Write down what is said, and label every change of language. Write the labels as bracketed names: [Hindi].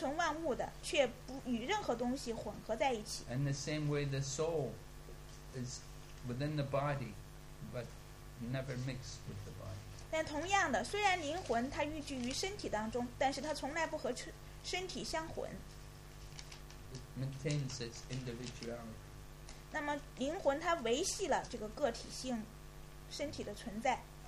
[Chinese] 但是天空是它变成万物的，却不与任何东西混合在一起。 [English] And the same way the soul is within the body, but never mixed with the body. [Chinese] 但同样的，虽然灵魂它寓居于身体当中，但是它从来不和身体相混。 [English] It maintains its individuality. [Chinese] 那么灵魂它维系了这个个体性，身体的存在。